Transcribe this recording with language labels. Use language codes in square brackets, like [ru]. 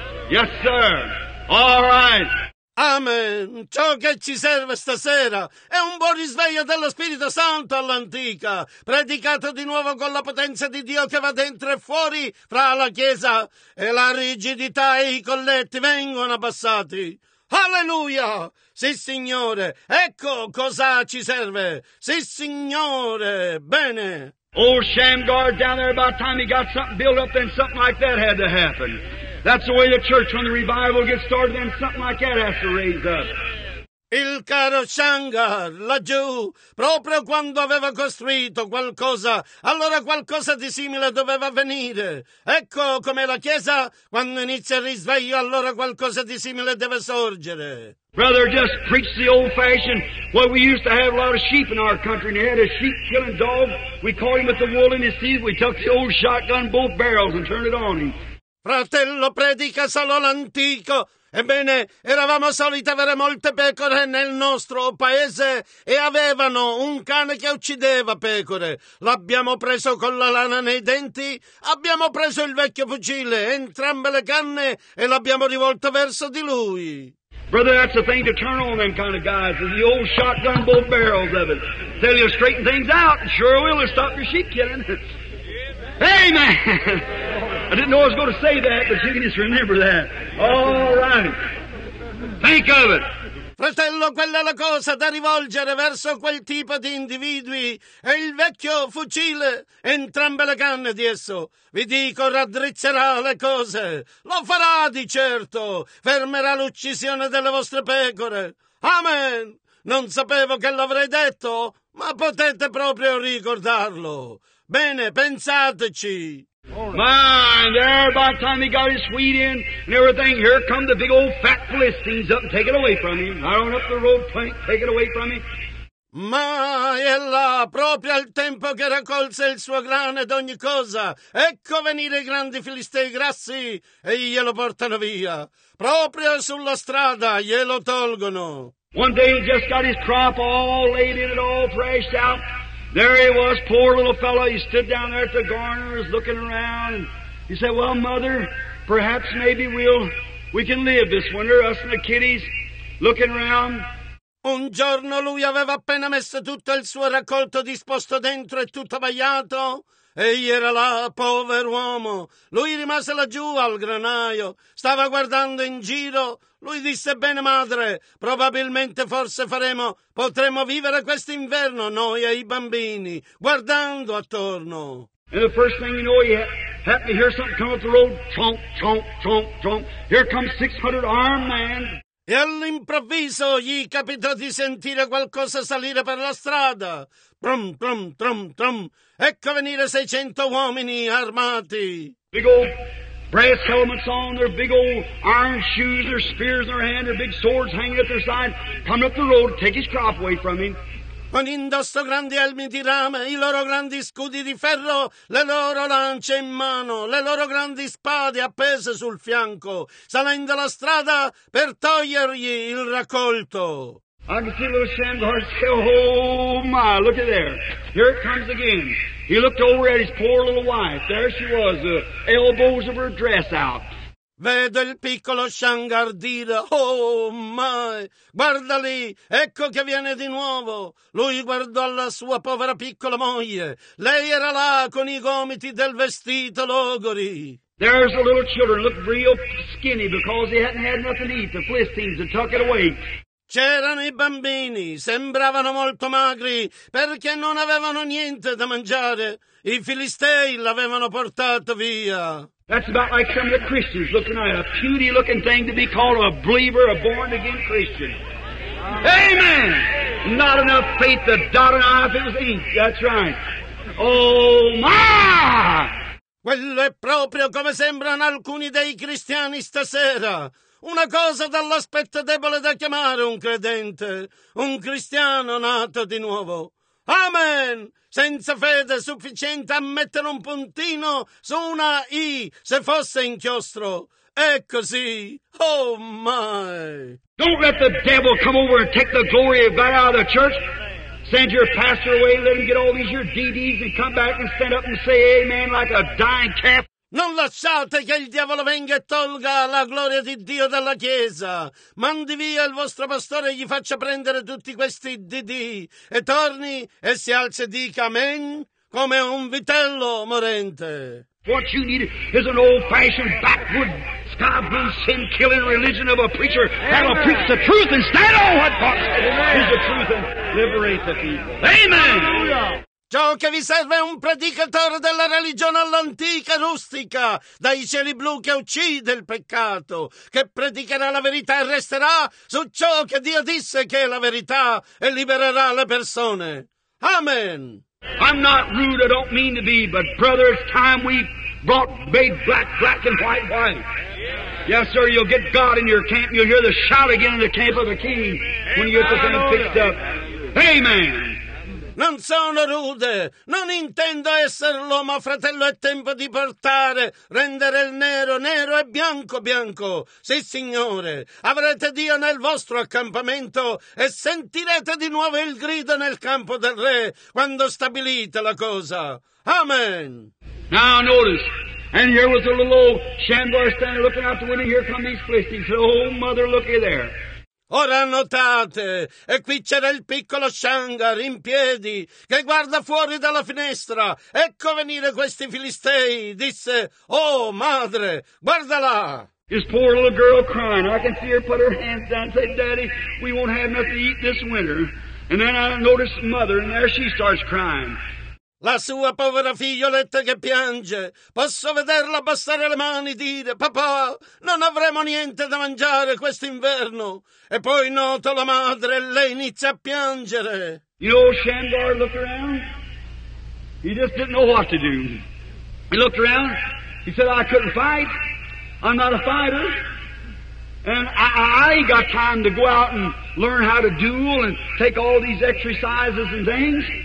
[en] Yes, sir. All right. Amen. [it] Ciò che ci serve stasera è un buon risveglio dello Spirito Santo all'antica, predicato di nuovo con la potenza di Dio che va dentro e fuori fra la Chiesa e la rigidità e i colletti vengono abbassati. Alleluia! Sì, Signore. Ecco cosa ci serve. Sì, Signore. Bene. [en] Old Shamgar down there, about time he got something built up, then something like that had to happen. That's the way the church, when the revival gets started, then something like that has to raise up. [it] Il caro Shamgar, laggiù, proprio quando aveva costruito qualcosa, allora qualcosa di simile doveva venire. Ecco come la Chiesa, quando inizia il risveglio, allora qualcosa di simile deve sorgere. [en] Brother, just preach the old fashioned, well, we used to have a lot of sheep in our country, and he had a sheep killing dog, we caught him with the wool in his teeth, we took the old shotgun, both barrels, and turned it on him. [it] Fratello, predica solo l'antico. Ebbene, eravamo soliti avere molte pecore nel nostro paese e avevano un cane che uccideva pecore. L'abbiamo preso con la lana nei denti, abbiamo preso il vecchio fucile, entrambe le canne, e l'abbiamo rivolto verso di lui. [en] Brother, that's the thing to turn on them kind of guys, the old shotgun, both barrels of it. Tell you straighten things out, sure will, and stop your sheep killing. Amen! I didn't know I was going to say that, but you can just remember that. All right. Think of it. [it] Fratello, quella è la cosa da rivolgere verso quel tipo di individui. E il vecchio fucile, entrambe le canne di esso, vi dico, raddrizzerà le cose. Lo farà di certo. Fermerà l'uccisione delle vostre pecore. Amen. Non sapevo che l'avrei detto, ma potete proprio ricordarlo. Bene, pensateci. [en] Mind there, by the time he got his wheat in and everything, here come the big old fat Philistines up and take it away from him. I don't up the road, take it away from him. [it] Ma è là, proprio al tempo che raccolse il suo grano ed ogni cosa, ecco venire i grandi filistei grassi e glielo portano via. Proprio sulla strada glielo tolgono. [en] One day he just got his crop all laid in it, all threshed out. There he was, poor little fellow. He stood down there at the garners looking around. He said, well, mother, perhaps maybe we can live this winter, us and the kiddies, looking around. [it] Un giorno lui aveva appena messo tutto il suo raccolto disposto dentro e tutto abbagliato. Egli era là, povero uomo. Lui rimase laggiù al granaio. Stava guardando in giro. Lui disse, bene madre, probabilmente forse potremmo vivere quest'inverno noi e i bambini, guardando attorno. [en] And the first thing you know, he happened to hear something come up the road. Chomp, chomp, chomp, chomp. Here comes 600 armed men. [it] E all'improvviso gli capitò di sentire qualcosa salire per la strada. Trum, trum, trum, trum. Ecco venire 600 uomini armati. [en] Big old brass helmets on, their big old iron shoes, their spears in their hand, their big swords hanging at their side. Come up the road, take his crop away from him. [it] Con indosso grandi elmi di rame, i loro grandi scudi di ferro, le loro lance in mano, le loro grandi spade appese sul fianco, salendo la strada per togliergli il raccolto. [en] I can see little Sam Garcia. Oh my, look at there. Here it comes again. He looked over at his poor little wife. There she was, the elbows of her dress out. [it] Vedo il piccolo Shangar dire, [en] oh my, [it] guarda lì, ecco che viene di nuovo. Lui guardò la sua povera piccola moglie. Lei era là con i gomiti del vestito logori. [en] There's the little children, look real skinny because they hadn't had nothing to eat. The Philistines had tucked it away. [it] C'erano i bambini, sembravano molto magri perché non avevano niente da mangiare. I Filistei l'avevano portato via. [en] That's about like some of the Christians looking at a puny looking thing to be called a believer, a born again Christian. Amen! Not enough faith to dot an I if it was ink. That's right. Oh my! [it] Quello è proprio come sembrano alcuni dei cristiani stasera. Una cosa dall'aspetto debole da chiamare un credente, un cristiano nato di nuovo. Amen! Senza fede sufficiente a mettere un puntino su una I, se fosse inchiostro. È così. [en] Oh my! Don't let the devil come over and take the glory of God out of the church. Send your pastor away, let him get all these your DDs and come back and stand up and say amen like a dying calf. [it] Non lasciate che il diavolo venga e tolga la gloria di Dio dalla Chiesa. Mandi via il vostro pastore e gli faccia prendere tutti questi DD. E torni e si alzi e dica amen come un vitello morente. [en] What you need is an old-fashioned backwood, sky-blue, sin-killing religion of a preacher that'll preach the truth instead of what God is the truth and liberate the people. Amen! [it] Ciò che vi serve è un predicatore della religione all'antica rustica, dai cieli blu che uccide il peccato, che predicherà la verità e resterà su ciò che Dio disse che è la verità e libererà le persone. Amen! [en] I'm not rude, I don't mean to be, but brother, it's time we brought made black, black and white, white. Yes, sir, you'll get God in your camp, you'll hear the shout again in the camp of the king when you get the thing fixed up. Amen! [it] Non sono rude, non intendo esserlo, ma fratello, è tempo di portare, rendere il nero nero e bianco bianco. Sì, signore, avrete Dio nel vostro accampamento e sentirete di nuovo il grido nel campo del re quando stabilite la cosa. Amen. [en] Now notice, and here was a little old Shamgar standing looking out the window, here come these Philistines. Oh, mother, looky there. [it] Ora notate, e qui c'era il piccolo Shangar in piedi, che guarda fuori dalla finestra. Ecco venire questi Filistei, disse, oh madre, guarda là. [en] This poor little girl crying. I can see her put her hands down and say, Daddy, we won't have nothing to eat this winter. And then I notice Mother, and there she starts crying. [it] La sua povera figlioletta che piange. Posso vederla abbassare le mani e dire, papà, non avremo niente da mangiare quest'inverno. E poi noto la madre, lei inizia a piangere. [en] You know, Shamgar looked around. He just didn't know what to do. He looked around. He said, I couldn't fight. I'm not a fighter. And I ain't got time to go out and learn how to duel and take all these exercises and things.